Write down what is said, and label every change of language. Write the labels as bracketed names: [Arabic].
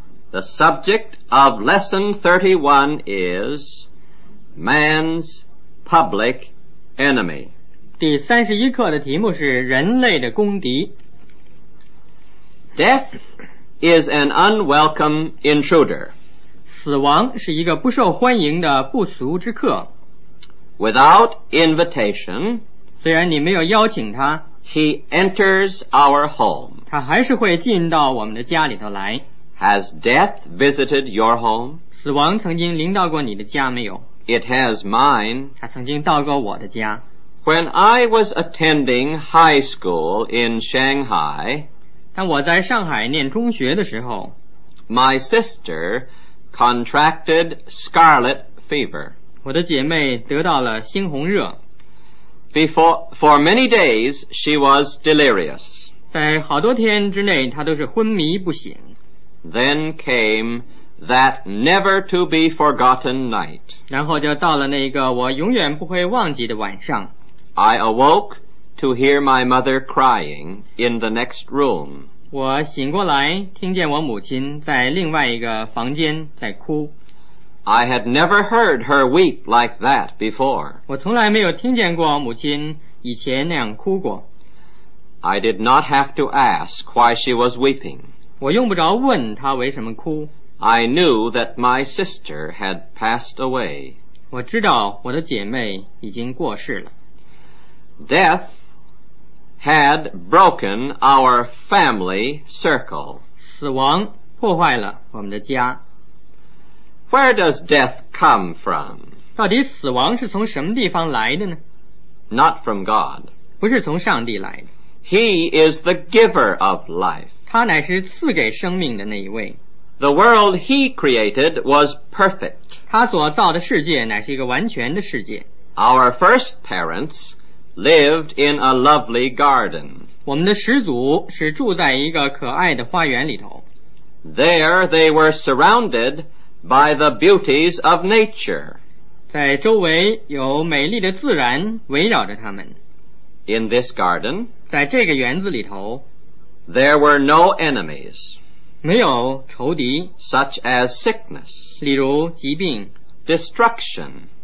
[English] The subject of lesson 31 is man's public enemy. [Chinese] 第三十一课的题目是人类的公敌。 [English] Death is an unwelcome intruder. [Chinese] 死亡是一个不受欢迎的不俗之客。 [English] Without invitation, [Chinese] 虽然你没有邀请他， [English] He enters our home. [Chinese] 他还是会进到我们的家里头来。 [English] Has death visited your home? [Chinese] 死亡曾经临到过你的家没有？ [English] It has mine. [Chinese] 他曾经到过我的家。 [English] When I was attending high school in Shanghai, [Chinese] 当我在上海念中学的时候， [English] My sister contracted scarlet fever. [Chinese] 我的姐妹得到了猩红热。 [English] For many days, she was delirious. [Chinese] 在好多天之内，她都是昏迷不醒。 [English] Then came that never-to-be-forgotten night. [Chinese] 然后就到了那个我永远不会忘记的晚上。 [English] I awoke to hear my mother crying in the next room. [Chinese] 我醒过来，听见我母亲在另外一个房间在哭。 [English] I had never heard her weep like that before. [Chinese] 我从来没有听见过母亲以前那样哭过。 [English] I did not have to ask why she was weeping. [Chinese] 我用不着问她为什么哭。 [English] I knew that my sister had passed away. [Chinese] 我知道我的姐妹已经过世了。 [English] Death had broken our family circle. [Chinese] 死亡破坏了我们的家。 [English] Where does death come from? [Chinese] 到底死亡是从什么地方来的呢？ [English] Not from God. [Chinese] 不是从上帝来的。 [English] He is the giver of life. [Chinese] 他乃是赐给生命的那一位。 [English] The world he created was perfect. [Chinese] 他所造的世界乃是一个完全的世界。 [English] Our first parents lived in a lovely garden. [Chinese] 我们的始祖是住在一个可爱的花园里头。 [English] There they were surrounded by the beauties of nature. [Chinese] 在周围有美丽的自然围绕着他们。 [English] In this garden, [Chinese] 在这个园子里头， [English] there were no enemies. [Chinese] 没有仇敌。 [English] Such as sickness, [Chinese] 例如疾病， [English] destruction,